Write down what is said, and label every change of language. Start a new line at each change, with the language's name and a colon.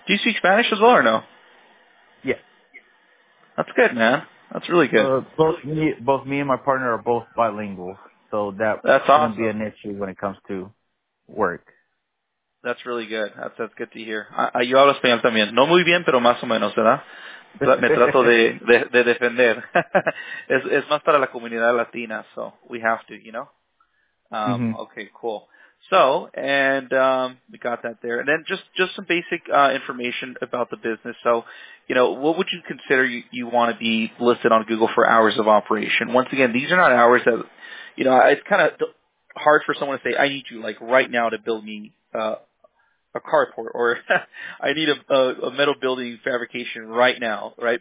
English: Do you speak Spanish as well or no? Yeah. That's good, man. That's really good. Both me and my partner are both bilingual, so that's going to awesome. Be an issue when it comes to work. That's really good. That's good to hear.
Spanish: Yo hablo español también. No muy bien, pero más o menos, ¿verdad? Me trato de defender. Es más para la comunidad latina,
English: so we have to, you know? Okay, cool. So, and we got that there. And then just some basic information about the business. So, you know, what would you consider you want to be listed on Google for hours of operation? Once again, these are not hours that, you know, it's kind of hard for someone to say, I need you, like, right now to build me a carport, or I need a metal building fabrication right now, right?